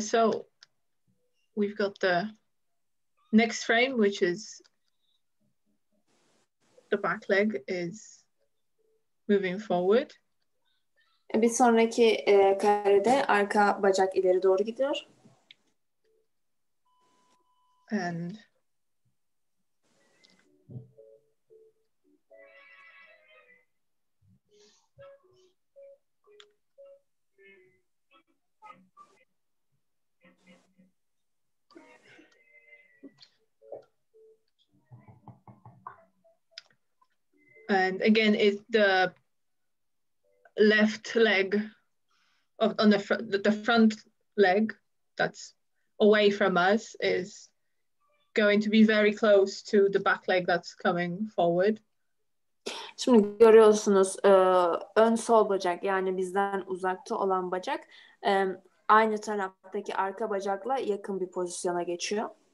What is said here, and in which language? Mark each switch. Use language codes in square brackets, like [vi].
[en] So we've got the next frame, which is the back leg is moving forward. [tr] Bir sonraki karede arka bacak ileri doğru gidiyor. [en] And And again, it's the left leg of on the front, the front leg that's away from us is going to be very close to the back leg that's coming forward. [tr] Şimdi görüyorsunuz ön sol bacak, yani bizden uzakta olan bacak aynı taraftaki arka bacakla yakın bir pozisyona geçiyor.